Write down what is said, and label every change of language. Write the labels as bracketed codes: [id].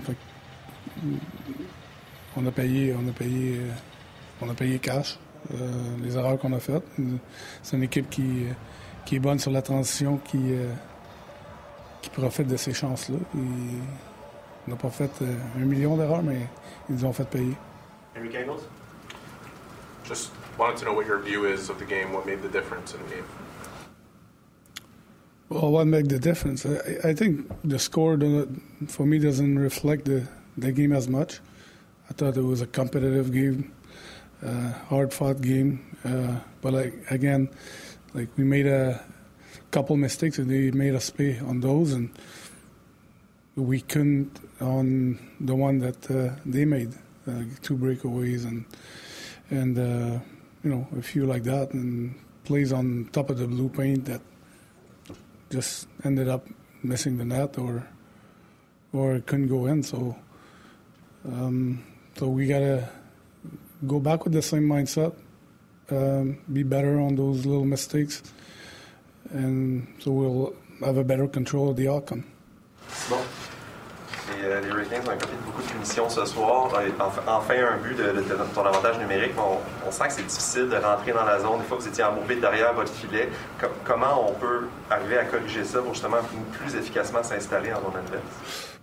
[fr] Fait, on a payé cash les erreurs qu'on a faites. C'est une équipe qui est bonne sur la transition, qui profitent de ces chances-là. Ils n'ont pas fait un million d'erreurs, mais ils les ont fait payer. Henry Kangles? [en] Just wanted to know what your view is of the game, what made the difference in the game. Well, what made the difference? I think the score, for me, doesn't reflect the game as much. I thought it was a competitive game, hard-fought game. But we made a couple mistakes and they made us pay on those, and we couldn't on the one that they made, two breakaways and a few like that, and plays on top of the blue paint that just ended up missing the net or couldn't go in. So we gotta go back with the same mindset, be better on those little mistakes. And so we'll have a better control of the outcome. [fr] Bon. Et les Hurricanes ont accompli beaucoup de punitions ce soir. Enfin, un but de ton avantage numérique. On sent que c'est difficile de rentrer dans la zone. Des fois, vous étiez embourbé derrière votre filet. Comment on peut arriver à corriger ça pour justement plus efficacement s'installer en zone adverse?